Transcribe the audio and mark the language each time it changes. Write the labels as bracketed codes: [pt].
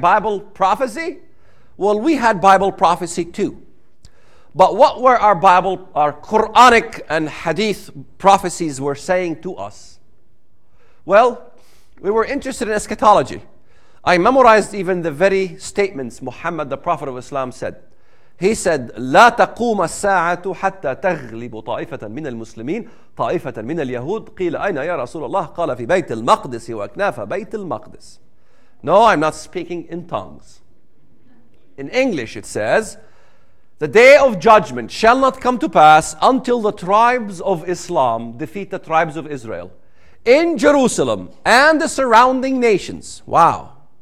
[en] Bible prophecy? Well, we had Bible prophecy too. But what were our Bible, our Quranic and Hadith prophecies were saying to us? Well, We were interested in eschatology. I memorized even the very statements Muhammad, the Prophet of Islam, said. He said, [ar] لا تقوم الساعة حتى تغلب طائفة من المسلمين طائفة من اليهود قيل أين يا رسول الله قال في بيت المقدس وأكناف بيت المقدس. [en] No, I'm not speaking in tongues. In English it says, the day of judgment shall not come to pass until the tribes of Islam defeat the tribes of Israel in Jerusalem and the surrounding nations. Wow.